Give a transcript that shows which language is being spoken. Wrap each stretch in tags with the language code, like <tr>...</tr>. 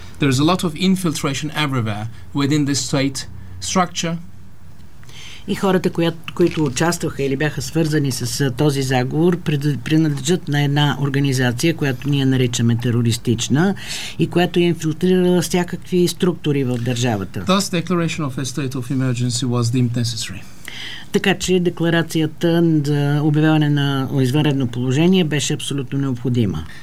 <en>There's a lot of infiltration everywhere within the state structure.</en> <bg>И хората, които участваха или бяха свързани с този заговор, принадлежат на една организация, която ние наричаме терористична и която е инфилтрирала всякакви структури в държавата.</bg> <en>Thus, declaration of a state of emergency was deemed necessary.</en> <bg>Така че декларацията за обявяване на извънредно положение беше абсолютно необходима.</bg>